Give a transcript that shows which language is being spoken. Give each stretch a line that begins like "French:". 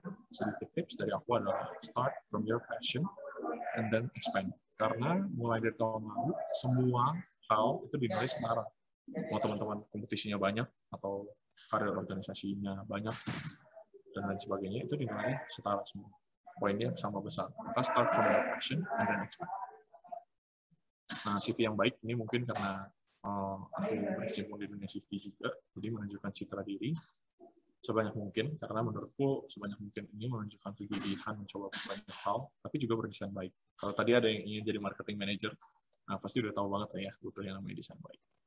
Indonesian: Sedikit tips dari aku adalah
English: start from your passion and then expand.
Indonesian: Karena mulai dari tahun lalu, semua hal itu dinilai sekarang. Mau teman-teman kompetisinya banyak atau karir organisasinya banyak dan lain sebagainya, itu dinilai setara semua. Poinnya sama besar.
English: Kita start from your passion and then expand.
Indonesian: Nah, CV yang baik, ini mungkin karena aku berkecimpung di dunia CV juga, jadi menunjukkan citra diri sebanyak mungkin, karena menurutku sebanyak mungkin ini menunjukkan kegigihan mencoba banyak hal, tapi juga berdesain baik. Kalau tadi ada yang ingin jadi marketing manager, nah pasti udah tahu banget ya, butuh yang namanya desain baik.